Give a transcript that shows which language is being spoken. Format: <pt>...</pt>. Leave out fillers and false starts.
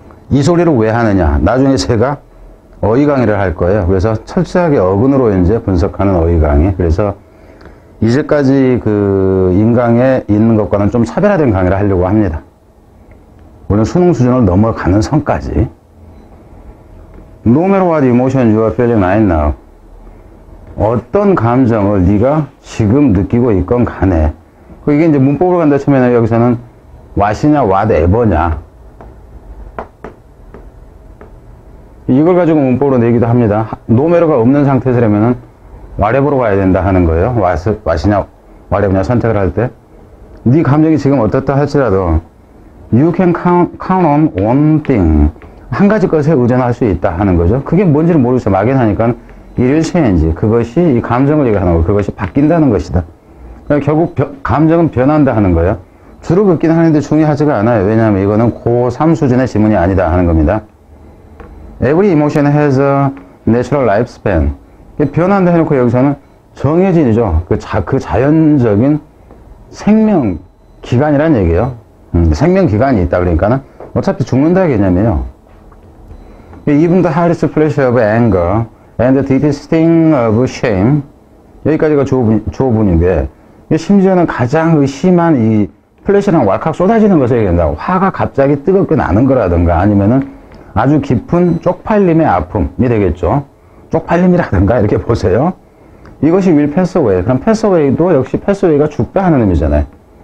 <ko>이 소리를 왜 하느냐. 나중에 제가 어휘 강의를 할 거예요. 그래서 철저하게 어근으로 이제 분석하는 어휘 강의. 그래서 이제까지 그 인강에 있는 것과는 좀 차별화된 강의를 하려고 합니다. 물론 수능 수준을 넘어가는 선까지.</ko> <en>No matter what emotion you are feeling right now.</en> <ko>어떤 감정을 네가 지금 느끼고 있건 간에. 이게 이제 문법으로 간다 치면은 여기서는 what이냐 whatever냐. 이걸 가지고 문법으로 내기도 합니다. No matter가 없는 상태에서라면은 whatever로 가야 된다 하는 거예요. what이냐 whatever냐 선택을 할 때. 네 감정이 지금 어떻다 할지라도</ko> <en>You can count on one thing.</en> <ko>한 가지 것에 의존할 수 있다 하는 거죠. 그게 뭔지는 모르겠어요. 막연하니까 일일 체인지. 그것이 이 감정을 얘기하는 거고 그것이 바뀐다는 것이다. 그러니까 결국 감정은 변한다 하는 거예요. 줄어긋긴 하는데 중요하지가 않아요. 왜냐하면 이거는 고3 수준의 지문이 아니다 하는 겁니다.</ko> <en>Every emotion has a natural lifespan.</en> <ko>변한다 해놓고 여기서는 정해진이죠. 그 자연적인 생명 기간이란 얘기예요. 생명기간이 있다 그러니까는 어차피 죽는다 개념이에요.</ko> <en>Even the highest pleasure of anger and the deepest sting of shame.</en> <ko>여기까지가 조부인데 심지어는 가장 심한 이 플래시랑 왈칵 쏟아지는 것을 얘기한다. 화가 갑자기 뜨겁게 나는 거라든가 아니면은 아주 깊은 쪽팔림의 아픔이 되겠죠. 쪽팔림이라든가 이렇게 보세요. 이것이 will pass away. 그럼 pass away도 역시 pass away가 죽다 하는 의미잖아요.</ko>